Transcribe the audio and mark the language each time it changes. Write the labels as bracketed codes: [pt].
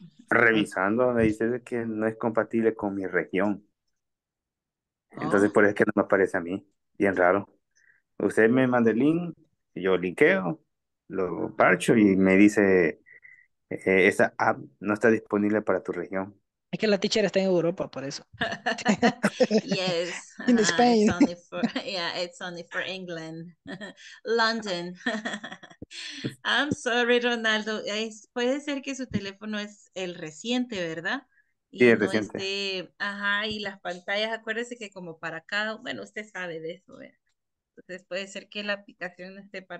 [es] Revisando, me dice que no es compatible con mi región. Entonces, oh. por eso es que no me aparece a mí. Bien raro. Usted me manda el link, yo linkeo, lo parcho y me dice esa app no está disponible para tu región. Es que la teacher está en Europa, por eso. [en] Yes. In Spain. It's only for, yeah, it's only for England. London. I'm sorry, Ronaldo. [es] Es, puede ser que su teléfono es el reciente, ¿verdad? Y sí, el no reciente. Esté, ajá, y las pantallas, acuérdese que como para acá, bueno, usted sabe de eso, ¿verdad? Entonces puede ser que la aplicación no esté para...